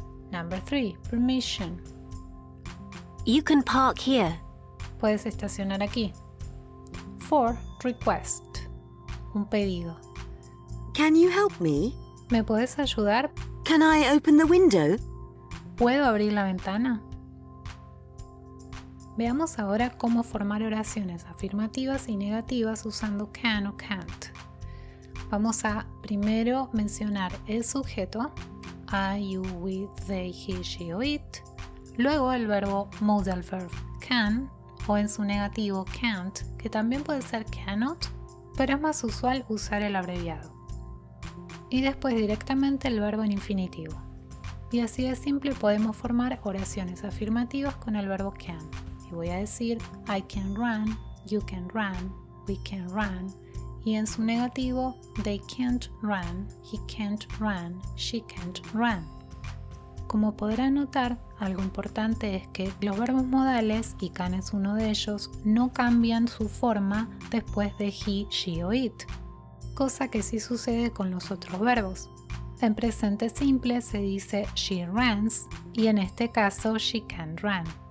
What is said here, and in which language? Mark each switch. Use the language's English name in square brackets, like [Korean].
[English] Number three, permission. You can park here. [Spanish] Puedes estacionar aquí. [English] Four, request. [Spanish] Un pedido. [English] Can you help me? [Spanish] ¿Me puedes ayudar? [English] Can I open the window? [Spanish] ¿Puedo abrir la ventana? Veamos ahora cómo formar oraciones afirmativas y negativas usando can o can't. Vamos a primero mencionar el sujeto, [English] I, you, we, they, he, she, or it. [Spanish] Luego el verbo modal verb can o en su negativo can't, que también puede ser cannot, pero es más usual usar el abreviado. Y después directamente el verbo en infinitivo. Y así de simple podemos formar oraciones afirmativas con el verbo can. Y voy a decir, [English] I can run, you can run, we can run. [Spanish] Y en su negativo, [English] they can't run, he can't run, she can't run. [Spanish] Como podrán notar, algo importante es que los verbos modales, y can es uno de ellos, no cambian su forma después de he, she o it. Cosa que sí sucede con los otros verbos. En presente simple se dice [English] she runs [Spanish] y en este caso [English] she can run.